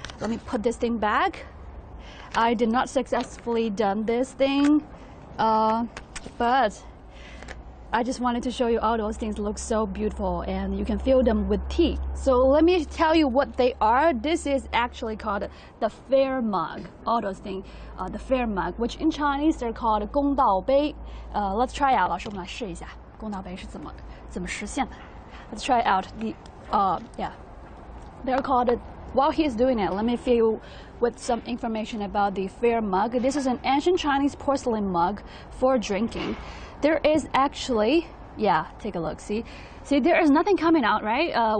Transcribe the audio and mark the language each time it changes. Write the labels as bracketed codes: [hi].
[en] Let me put this thing back. I did not successfully done this thing, but I just wanted to show you all those things look so beautiful and you can fill them with tea. So let me tell you what they are. This is actually called the fair mug. All those things, the fair mug, which in Chinese they're called 公道杯. Let's try out. [zh] 老师我们来试一下, 公道杯是怎么实现? [en] Let's try out the, yeah. They're called, while he's doing it, let me fill you with some information about the fair mug. This is an ancient Chinese porcelain mug for drinking. There is actually, yeah, take a look, see there is nothing coming out, right?